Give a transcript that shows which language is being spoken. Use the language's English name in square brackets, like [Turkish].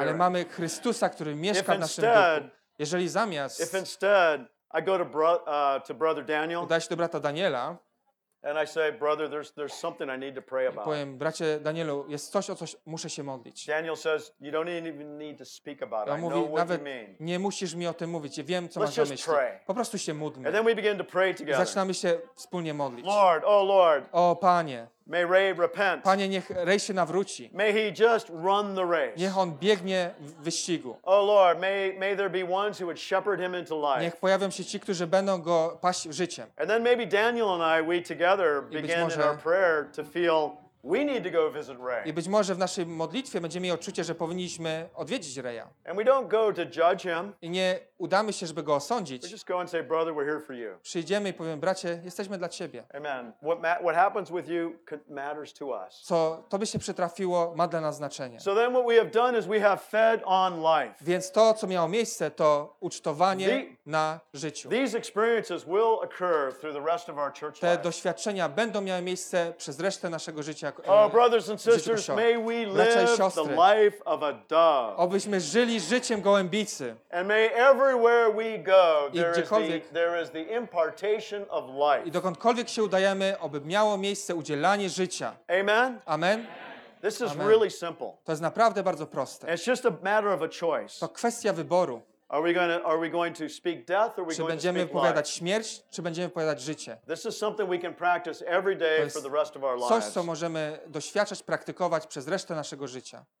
[Polish] Ale mamy Chrystusa, który mieszka [English] if [Polish] w naszym [English] instead, [Polish] duchu. Jeżeli zamiast [English] if instead I go to brother Daniel, [Polish] udaję się do brata Daniela [English] and I say, brother, there's something I need to pray about. [Polish] I powiem, bracie Danielu, jest coś, o coś muszę się modlić. [English] Daniel says, you don't even need to speak about it. I [Polish] mówi, [English] know [Polish] nawet [English] what you mean. [Polish] Nie musisz mi o tym mówić. Wiem, co [English] let's [Polish] masz na myśli. [English] Pray. [Polish] Po prostu się módlmy. [English] And then we begin to pray together. [Polish] Zaczynamy się wspólnie modlić. [English] Lord, oh Lord. [Polish] O Panie. [English] May Ray repent. [Polish] Panie, niech Ray się nawróci. [English] May he just run the race. [Polish] Niech on biegnie w wyścigu. [English] Oh Lord, may there be ones who would shepherd him into life. [Polish] Niech pojawią się ci, którzy będą go paść życiem. [English] And then maybe Daniel and I, we together begin [Polish] może [English] in our prayer to feel we need to go visit Ray. [Polish] I być może w naszej modlitwie będziemy mieli odczucie, że powinniśmy odwiedzić Raya. [English] And we don't go to judge him. [Polish] I nie udamy się, żeby go osądzić. [English] We just go and say, brother, we're here for you. [Polish] Przyjdziemy i powiemy, bracie, jesteśmy dla ciebie. [English] Amen. What happens with you matters to us. [Polish] Co tobie się przytrafiło, ma dla nas znaczenie. [English] So then what we have done is we have fed on life. [Polish] Więc to, co miało miejsce, to ucztowanie na życiu. [English] These experiences will occur through the rest of our church life. [Polish] Te doświadczenia będą miały miejsce przez resztę naszego życia. [English] Oh, brothers and sisters, may we live the life of a dove. [Polish] Obyśmy żyli życiem gołębicy. [English] And may everywhere we go, there is the impartation of life. [Polish] I dokądkolwiek się udajemy, oby miało miejsce udzielanie życia. [English] Amen. Amen. This is Amen. Really simple. [Polish] To jest naprawdę bardzo proste. [English] It's just a matter of a choice. [Polish] To kwestia wyboru. [English] Are we going to speak death or are we going to speak life? [Polish] Czy będziemy powiadać śmierć, czy będziemy powiadać życie? [English] This is something we can practice every day for the rest of our lives. [Polish] Coś, co możemy doświadczać, praktykować przez resztę naszego życia.